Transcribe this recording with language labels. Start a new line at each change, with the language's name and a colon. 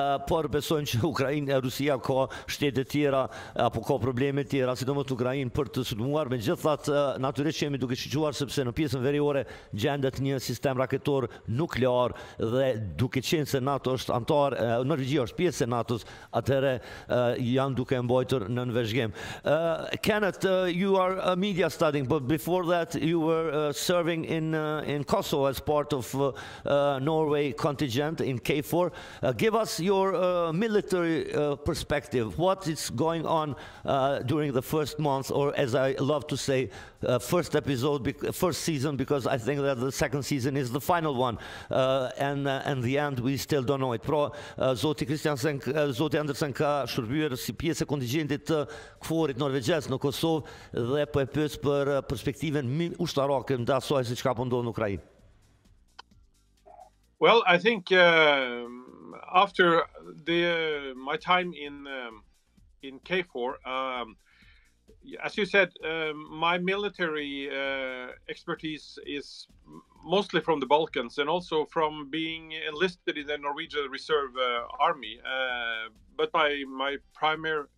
Albanian: por besojnë që Ukrainë e Rusia ka shtete tjera apo ka probleme tjera sidomos Ukrainë për të sulmuar megjithatë natyrisht jemi duke shqyuar sepse në pjesën veriore gjendet një sistem raketor nuklear dhe duke qenë se NATO është antar Norvegjia është pjesë e NATO-s atëherë janë duke mbajtur në nënveshgjim.
English: Kenneth, you are a media studying, but before that you were serving in Kosovo as part of Norway contingent in KFOR. Give us your military perspective. What is going on during the first month, or as I love to say, first episode, first season, because I think that the second season is the final one, and the end we still don't know it.
Albanian: Pro Zoti Kristiansen, Zoti Andresen ka shërbyer si pjesë e kontingjentit të KFOR-it norvegjez në Kosovë dhe po e pyet për perspektivën ushtarake në asaj se çka po ndodh në Ukrainë.
English: Well, I think after the my time in KFOR, as you said, my military expertise is mostly from the Balkans and also from being enlisted in the Norwegian Reserve Army. But my primary